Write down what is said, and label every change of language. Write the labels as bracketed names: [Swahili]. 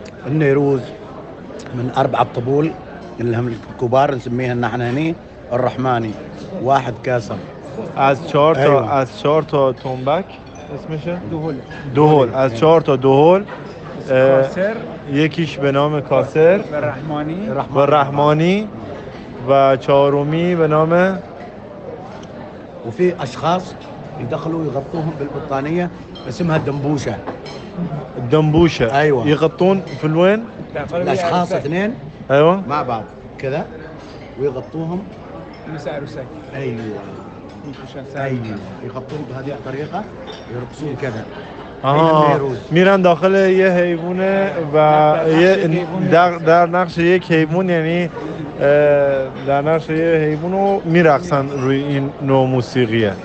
[Arabic] نوروز من اربع طبول اللي هم الكبار نسميها نحن هنا الرحماني واحد كاسر. [Persian] از چهار تا از چهار تا تنبک اسمشه دهول. دهول از چهار تا دهول کاسر، یکیش به نام کاسر و رحمانی و چهارمی به نام [Arabic] وفي اشخاص يدخلوا يغطوهم بالبطانيه اسمها الدمبوشه. الدمبوشه ايوه. يغطون في الوين الاشخاص اثنين ايوه مع بعض كذا ويغطوهم مسار وسك. ايوه يغطون بهذه الطريقه يرقصون كذا. [Persian] آها، میرن داخل یه حیوانه و یه در نقش یک حیوان، یعنی در نقش یه حیوان رو میرقصن روی این نوع موسیقیه.